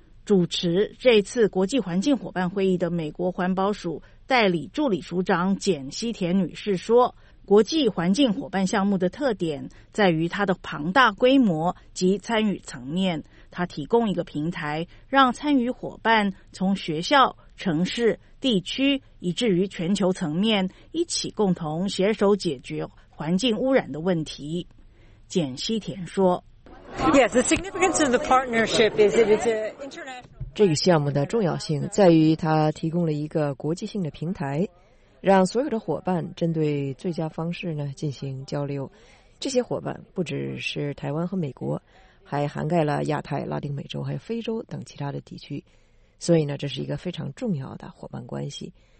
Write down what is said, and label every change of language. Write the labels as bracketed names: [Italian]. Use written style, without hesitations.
[Chinese] 主持这次国际环境伙伴会议的美国环保署代理助理署长简·西田女士说，国际环境伙伴项目的特点在于它的庞大规模及参与层面，它提供一个平台让参与伙伴从学校、城市、地区以至于全球层面一起共同携手解决环境污染的问题。简·西田说， [English] Yes, the significance of the partnership is it is international. [Chinese] 这个项目的重要性在于它提供了一个国际性的平台，让所有的伙伴针对最佳方式呢进行交流。这些伙伴不只是台湾和美国，还涵盖了亚太、拉丁美洲还有非洲等其他的地区，所以呢，这是一个非常重要的伙伴关系。